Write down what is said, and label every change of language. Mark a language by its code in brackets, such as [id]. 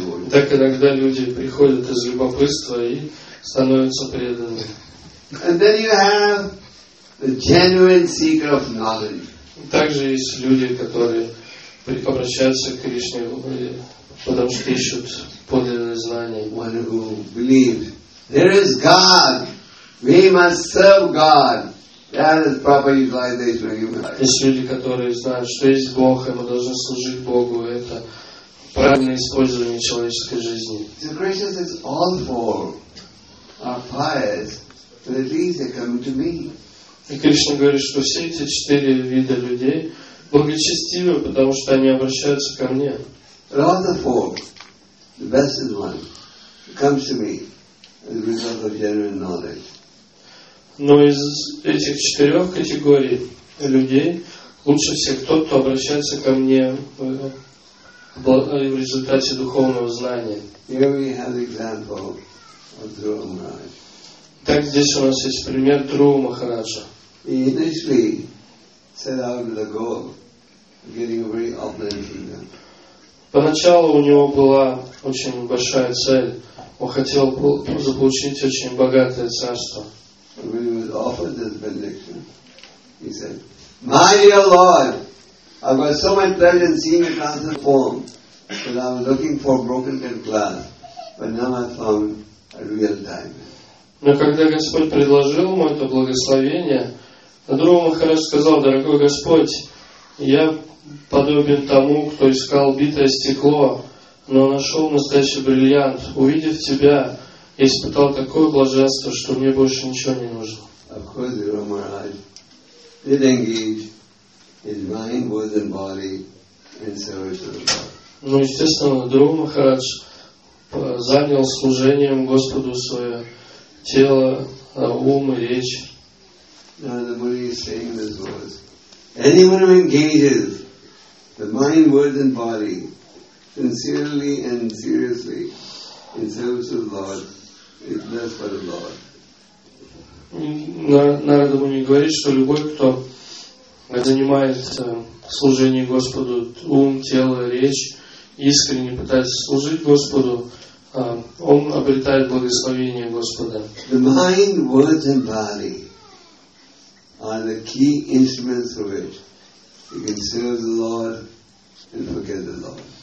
[ru] Так иногда люди приходят из любопытства и становятся преданными. [en] And then you have the genuine seeker of knowledge. [ru] Также есть люди, которые обращаются к Кришне, потому что ищут подлинное знание. [en] One who believes there is God, we must serve God. That is proper utilization of human life. [ru] Есть люди, которые знают, что есть Бог, и мы должны служить Богу. Это правильное использование человеческой жизни. [en] So Krishna says, all four are pious. But at least they come to me. [ru] И Кришна говорит, что все эти четыре вида людей благочестивы, потому что они обращаются ко мне. [en] But all the four, the best one, comes to me as a result of genuine knowledge. [ru] Но из этих четырех категорий людей лучше всех тот, кто обращается ко мне в результате духовного знания. [en] Here we have example of Dhruva Maharaj. [ru] Так здесь у нас есть пример Друва Махараджа. [en] He initially set out with a goal of getting a very opulent kingdom. [ru] Поначалу у него была очень большая цель. Он хотел заполучить очень богатое царство. [en] When he was offered this benediction, he said, "My dear Lord, I've got so much pleasure in seeing your transcendental form, but I was looking for broken glass, but now I found a real diamond." [ru] Но когда Господь предложил ему это благословение, Друва Махарадж сказал, дорогой Господь, я подобен тому, кто искал битое стекло, но нашел настоящий бриллиант. Увидев тебя, я испытал такое блаженство, что мне больше ничего не нужно. [en] Of course, Друва Махарадж did engage his mind, body, and service to the Lord. [ru] Ну, естественно, Друва Махарадж занял служением Господу свое тело, ум и речь. [en] Anyone who engages the mind, words and body sincerely and seriously in service of the Lord is blessed by the Lord. [ru] Нарада Муни говорит, что любой, кто занимается служением Господу, ум, тело, речь, искренне пытается служить Господу, он обретает благословение Господа. [en] The mind, words and body are the key instruments through which you can serve the Lord and forget the Lord.